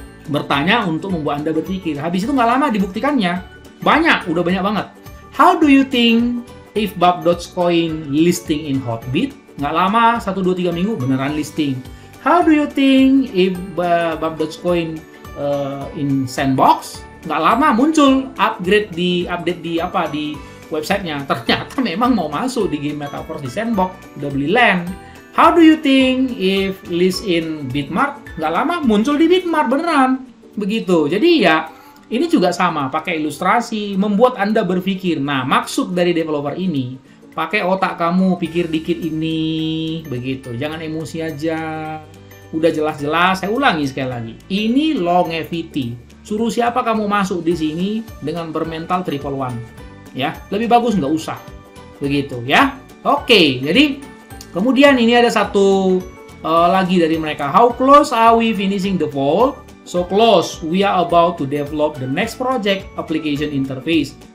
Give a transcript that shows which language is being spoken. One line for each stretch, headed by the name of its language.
Indonesian: Bertanya untuk membuat Anda berpikir. Habis itu nggak lama dibuktikannya. Banyak, udah banyak banget.
English: How do you think if Bob Dogecoin listing in Hotbit?
Indonesian: Nggak lama, 1-2-3 minggu beneran listing.
English: How do you think if Bob Dogecoin in Sandbox?
Indonesian: Nggak lama muncul upgrade di update di apa di websitenya. Ternyata memang mau masuk di game Metaverse di Sandbox, udah beli land.
English: How do you think if list in Bitmart?
Indonesian: Nggak lama muncul di Bitmart beneran. Begitu. Jadi ya, ini juga sama, pakai ilustrasi, membuat Anda berpikir. Nah, maksud dari developer ini, pakai otak kamu, pikir dikit ini, begitu. Jangan emosi aja. Udah jelas-jelas, saya ulangi sekali lagi. Ini longevity. Suruh siapa kamu masuk di sini dengan bermental triple one. Ya, lebih bagus nggak usah. Begitu, ya. Oke, jadi kemudian ini ada satu lagi dari mereka.
English: How close are we finishing the vault? So close, we are about to develop the next project application interface.